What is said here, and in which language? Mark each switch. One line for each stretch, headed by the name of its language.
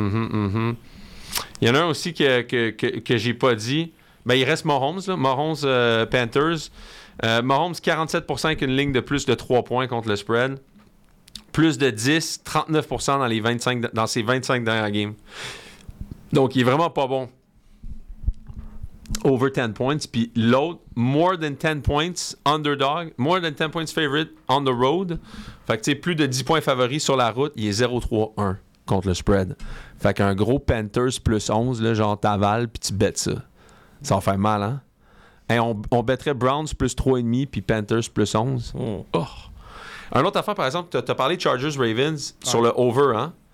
French: Il y en a un aussi que j'ai pas dit. Ben, il reste Mahomes, là. Mahomes Panthers. Mahomes, 47% avec une ligne de plus de 3 points contre le spread. Plus de 10, 39% dans ses 25 dernières games. Donc, il est vraiment pas bon.
English: Over 10 points. Puis l'autre, more than 10 points, underdog. More than 10 points favorite on the road.
French: Fait que tu sais, plus de 10 points favoris sur la route, il est 0-3-1 contre le spread. Fait qu'un gros Panthers plus 11, là, genre t'avales, puis tu bêtes ça. Ça va faire mal, hein? Et on bêterait Browns plus 3,5, puis Panthers plus 11. Oh! Un autre affaire, par exemple, t'as parlé Chargers-Ravens sur le over, hein?